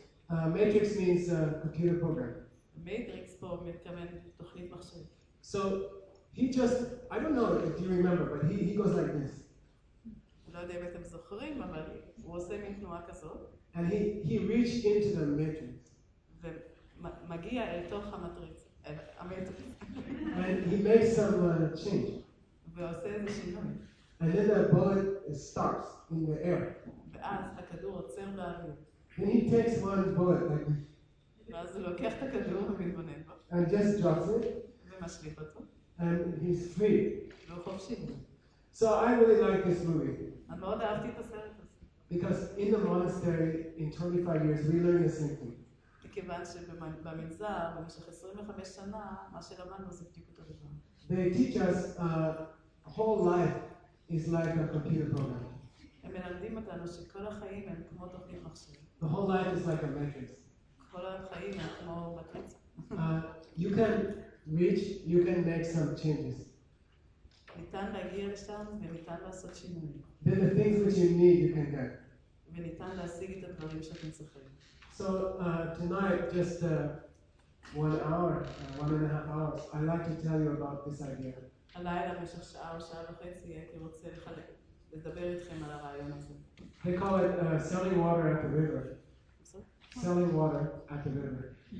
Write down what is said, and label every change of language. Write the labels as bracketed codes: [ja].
[en] Matrix means a computer program. [he] Matrix פה מתכוון תוכנית מחשב. [en] So he just, I don't know if you remember, but he goes like this. [he] לא יודע אם אתם זוכרים, אבל הוא עושה מין תנועה כזאת. [en] And he reached into the matrix. [he] ומגיע אל תוך המטריץ, אל המטריץ. [en] And he makes some change. [he] ועושה איזה שינוי. [en] And then the bullet starts in the air. [he] ואז הכדור עוצר באוויר. [en] And he takes one bullet like [he] ואז הוא לוקח את הכדור ומתבונן בו. [en] And just drops it. [he] ומשליף אותו. [en] And he's free. [he] והוא חופשי. [en] So I really like this movie. [he] אני מאוד אהבתי את הסרט הזה. [en] Because in the monastery, in 25 years, we learn the same thing. [he] מכיוון שבמנזר, במשך 25 שנה, מה שלמדנו זה בדיוק אותו דבר. [en] They teach us whole life is like a computer program. [he] הם מלמדים אותנו שכל החיים הם כמו תוכנית מחשב. [en] The whole life is like a matrix. [he] כל החיים הם כמו מטריצה. [en] You can reach, you can make some changes. [he] ניתן להגיע לשם וניתן לעשות שינויים. [en] Then the things which you need, you can get. [he] וניתן להשיג את הדברים שאתם צריכים. [en] So tonight, just one hour, one and a half hours, I'd like to tell you about this idea. [he] הלילה, משך שעה או שעה וחצי, הייתי רוצה לדבר איתכם על הרעיון הזה. [en] They call it selling water at the river. Selling water at the river.